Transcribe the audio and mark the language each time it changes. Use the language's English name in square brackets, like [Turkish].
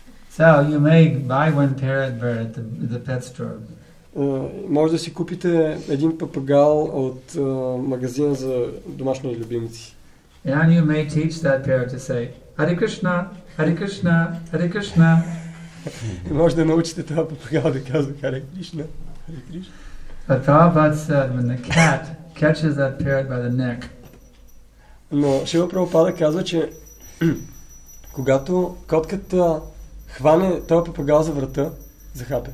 [English] So you may buy one parrot bird at the pet store. [Bulgarian] Може да си купите един папагал от магазина за домашни любимци. [English] And you may teach that parrot to say Hare Krishna, Hare Krishna, Hare Krishna. [Bulgarian] Може да научите това папагал да казва Hare Krishna, Hare Krishna. [English] But Prabhupada said when the cat catches that parrot by the neck. [Bulgarian] Но Шрила Прабхупада казва, че когато котката хване този папагал за врата, захапе.